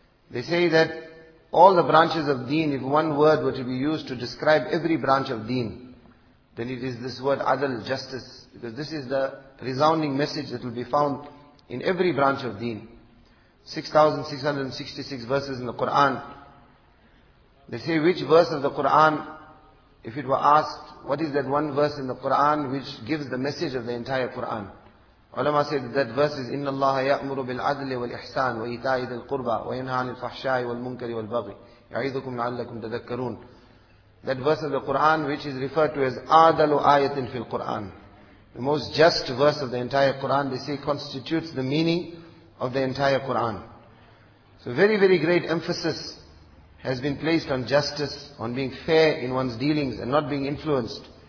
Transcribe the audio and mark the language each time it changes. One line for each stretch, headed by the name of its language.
English: They say that all the branches of deen, if one word were to be used to describe every branch of deen, then it is this word adl, justice, because this is the resounding message that will be found in every branch of deen. 6,666 verses in the Quran. They say, which verse of the Quran, if it were asked, what is that one verse in the Quran which gives the message of the entire Quran? Ulama say that verse is,
Arabic: إِنَّ اللَّهَ يَأْمُرُ بِالْعَدْلِ وَالْإِحْسَانِ وَإِيْتَاءِ ذِي الْقُرْبَى وَيَنْهَى عَنِ الْفَحْشَاءِ وَالْمُنكَرِ وَالْبَغْيِ يَعِظُكُمْ لَعَلَّكُمْ تَذَكَّرُونَ.
English: That verse of the Quran which is referred to as
Arabic: أَدَلُ آيَةٍ فِي الْقُرْآنِ,
English: the most just verse of the entire Quran, they say constitutes the meaning of the entire Quran. So very, very great emphasis has been placed on justice, on being fair in one's dealings and not being influenced.